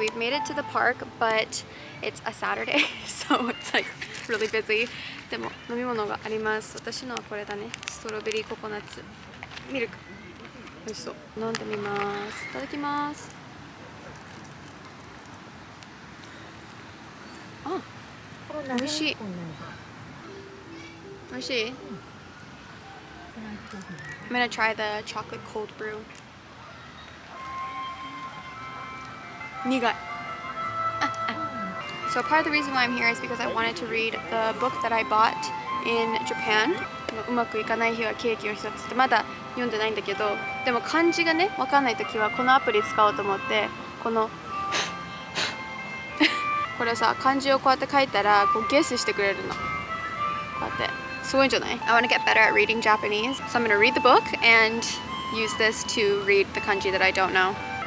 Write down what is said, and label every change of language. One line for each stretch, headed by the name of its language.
English: We've made it to the park, but it's a Saturday, so it's like really busy.
Japanese: でも飲み物があります。私のはこれだね。ストロベリーココナッツミルク。美味しそう。飲んでみます。いただきます。あ、美味しい。美味しい。
English: I'm gonna try the chocolate cold brew.
Japanese: 苦い。
English: So part of the reason why I'm here is because I wanted to read the book that I bought in Japan.
Japanese: うまくいかない日はケーキを一つ。まだ読んでないんだけど、でも漢字がね、わかんないときはこのアプリ使おうと思って、このこれさ、漢字をこうやって書いたら、こうゲスしてくれるの。こうやって。すごいんじゃない?
English: I want to get better at reading Japanese. So I'm going to read the book and use this to read the kanji that I don't know.